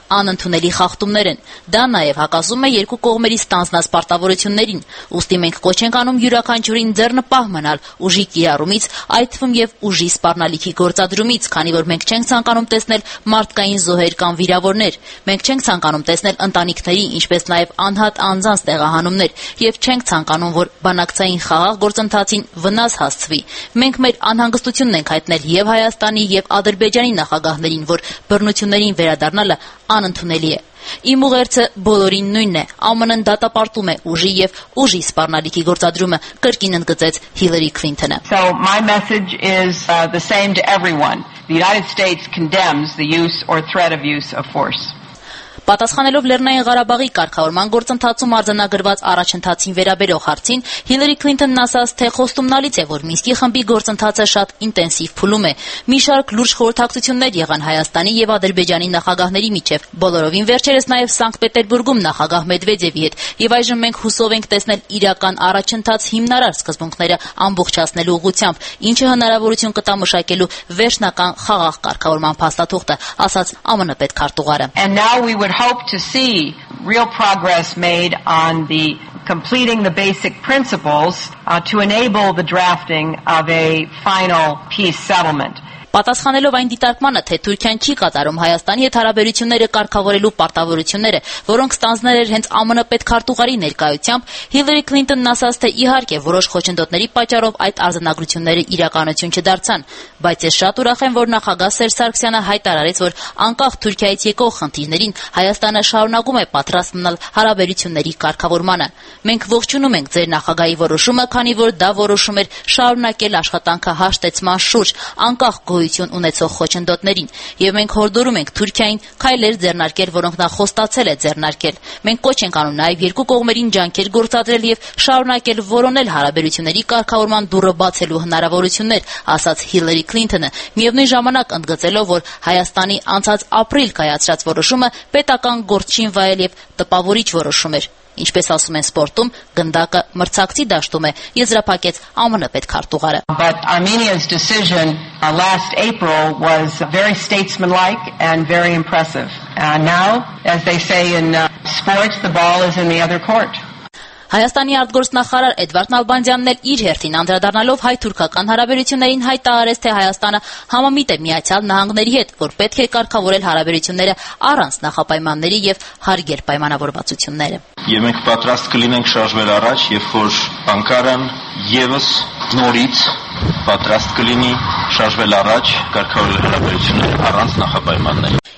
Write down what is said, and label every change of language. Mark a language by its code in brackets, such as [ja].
[hy] անընդունելի խախտումներ են։ Դա նաև հակասում է երկու կողմերի ստանձնած պարտավորություններին։ Ուստի մենք կոչ ենք անում յուրաքանչյուրին ձեռնպահ մնալ ուժի կիրառումից, այդ թվում և ուժի սպառնալիքի գործադրումից, քանի որ մենք չենք ցանկանում տեսնել մարդկային զոհեր կամ վիրավորներ, մենք չենք ցանկանում տեսնել ընտանիքների, ինչպես նաև անհատ անձանց տեղահանումներ, և չենք ցանկանում, որ բանակցային խաղաղ գործընթացին վնաս հասցվի։ Մենք մեր անհանգստությունն ենք հայտնել և Հայաստանի, և Ադրբեջանի նախագահներին, որ բռնություններին վերադառնալը անընդունելի է։ Իմ ուղերձը բոլորին նույնն է. ԱՄՆ-ն դատապարտում է ուժի և ուժի սպառնալիքի գործադրումը, կրկին ընդգծեց Հիլարի Քլինթոնը. [en] So my message is the same to everyone. The United States condemns the use or threat of use of force. [hy] Պատասխանելով Լեռնային Ղարաբաղի կարգավորման գործընթացում արձանագրված առաջընթացին վերաբերող հարցին, Հիլարի Քլինթոնն ասաց, թե խոստումնալից է, որ Մինսկի խմբի գործընթացը շատ ինտենսիվ փուլում է։ Մի շարք լուրջ խորհրդակցություններ եղան Հայաստանի և Ադրբեջանի նախագահների միջև, բոլորովին վերջերս նաև Սանկտ Պետերբուրգում նախագահ Մեդվեդևի հետ, և այժմ մենք հուսով ենք տեսնել իրական առաջընթաց հիմնարար սկզբունքները ամբողջացնելու ուղղությամբ, ինչը հնարավորություն կտա մշակելու վերջնական խաղաղ կարգավորման փաստաթուղթը, ասաց ԱՄՆ պետքարտուղարը։ [en] Would hope to see real progress made on the completing the basic principles to enable the drafting of a final peace settlement. [hy] Պատասխանելով այն դիտարկմանը, թե Թուրքիան չի կատարում Հայաստանի հետ հարաբերությունները կարգավորելու պարտավորությունները, որոնք ստանձնել էր հենց ԱՄՆ պետքարտուղարի ներկայությամբ, Հիլարի Քլինթոնն ասաց, թե իհարկե որոշ խոչընդոտների պատճառով այդ արձանագրությունները իրականություն չդարձան, բայց ես շատ ուրախ եմ, որ նախագահ Սերժ Սարգսյանը հայտարարեց, որ անկախ Թուրքիայից եկող խնդիրներին Հայաստանը շարունակում է պատրաստ մնալ հարաբերությունների կարգավորմանը։ Մենք ողջունում ենք ձեր նախագահի որոշումը, քանի որ դա որոշում էր շարունակել աշխատանքը հաշտեցման շուրջ, անկախ գոյություն ունեցող խոչընդոտներին, և մենք հորդորում ենք Թուրքիային քայլեր ձեռնարկել, որոնք նա խոստացել է ձեռնարկել։ Մենք կոչ ենք անում նաև երկու կողմերին ջանքեր գործադրել և շարունակել որոնել հարաբերությունների կարգավորման դուռը բացելու հնարավորություններ, ասաց Հիլարի Քլինթոնը, միևնույն ժամանակ ընդգծելով, որ Հայաստանի անցած ապրիլ կայացրած որոշումը պետական գործչին վայել և տպավորիչ որոշում էր։ Ինչպես ասում են սպորտում, գնդակը մրցակցի դաշտում է, եզրափակեց ԱՄՆ պետքարտուղարը։ [en] But Armenia's decision last April was very statesmanlike and very impressive. Now, as they say in sports, the ball is in the other court. [hy] Հայաստանի արտգործնախարար Էդվարդ Նալբանդյանն էլ իր հերթին անդրադառնալով հայ-թուրքական հարաբերություններին հայտարարեց, թե Հայաստանը համամիտ է Միացյալ Նահանգների հետ, որ պետք է կարգավորել հարաբերությունները առանց նախապայմանների և հարգեր պայմանավորվածությունները։ Եվ մենք պատրաստ կլինենք շարժվել առաջ, երբ որ Անկարան ևս նորից պատրաստ կլինի շարժվել առաջ, կարգավորել հարաբերությունները առանց նախապայմանների։